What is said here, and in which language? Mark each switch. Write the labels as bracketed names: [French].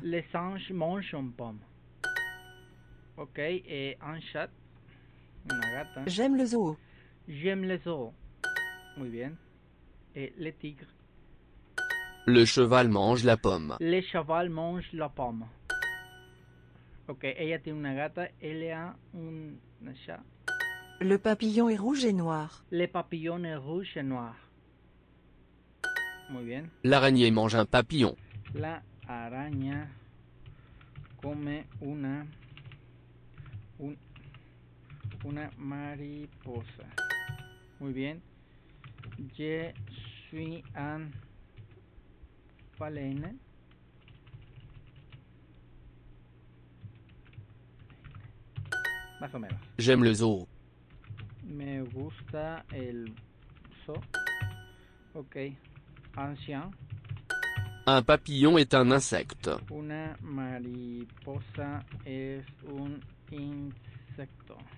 [French] Le singe mange une pomme. Ok. Et un chat. [Spanish] Una gata. [French] J'aime le zoo. J'aime les zoos. [Spanish] Muy bien. [French] Et le tigre. Le cheval mange la pomme. Le cheval mange la pomme. [Spanish] Ok, ella tiene una gata, [French] elle a un chat. Le papillon est rouge et noir. Le papillon est rouge et noir. [Spanish] Muy bien. [French] L'araignée mange un papillon. [Spanish] La araña come una mariposa. Muy bien. [French] Je suis un baleine. [Spanish] Más o menos. [French] J'aime le zoo. [Spanish] Me gusta el zoo. Ok. [French] Ancien. Un papillon est un insecte. [Spanish] Una mariposa es un insecto.